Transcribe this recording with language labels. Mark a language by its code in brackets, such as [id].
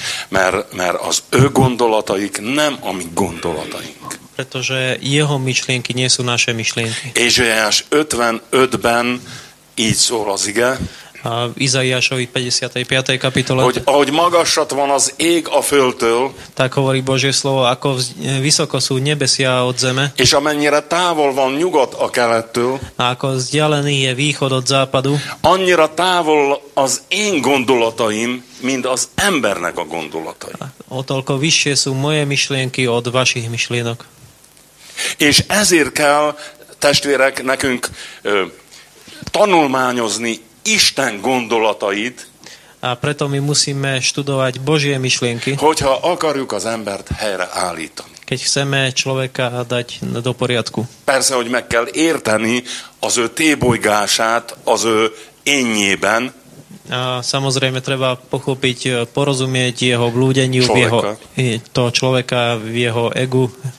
[hu] Mert az ő gondolataik nem a mi gondolataink. [sk] Pretože jeho myšlienky nie sú naše myšlienky. [hu] Ézsaiás 55-ben így szól az ige. [sk] A Izaiášovi 55. kapitole. [hu] Ahogy magasat van az ég a földtől. [sk] Tak hovorí Božie slovo, ako vysoko sú nebesia od zeme. [hu] És amennyire távol van nyugat a kelettől. [sk] Ako vzdialený je východ od západu. [hu] Annyira távol az én gondolataim, mint az embernek a gondolatai. [sk] O toľko vyššie sú moje myšlienky od vašich myšlienok. [hu] És ezért kell, testvérek, nekünk tanulmányozni Isten gondolatait. [sk] A preto my musíme študovať Božie myšlienky. [hu] Hogyha akarjuk az embert helyreállítani. [sk] Keď chceme človeka dať do poriadku. [hu] Persze, hogy meg kell érteni az ő tébolygását az ő énjében. [sk] A samozrejme treba pochopiť, porozumieť jeho blúdeniu, jeho to človeka v jeho egu.